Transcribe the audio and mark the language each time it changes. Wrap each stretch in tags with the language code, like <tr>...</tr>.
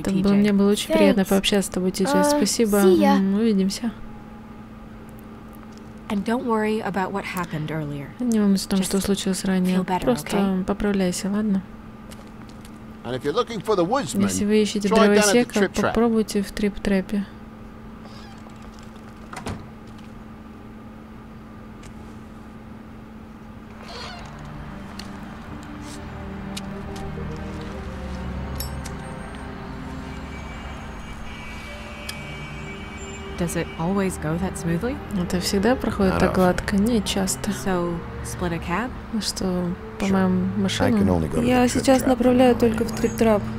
<ru>Это было, мне было очень приятно пообщаться с тобой, TJ. Спасибо. Увидимся.</ru> <en>And don't worry about what happened earlier.</en> <ru>Не волнуйся о том, что случилось ранее. Просто поправляйся, ладно?</ru> <en>And if you're looking for the woodsman,</en> <ru>если вы ищете дровосека, попробуйте в трип-трэпе.</ru> <en>Does it always go that smoothly?</en> <ru>Это всегда проходит так гладко? Не часто.</ru> <en>So, split a cab?</en> <ru>Ну что, по моим машинам? Я сейчас направляю только в трип-трап.</ru>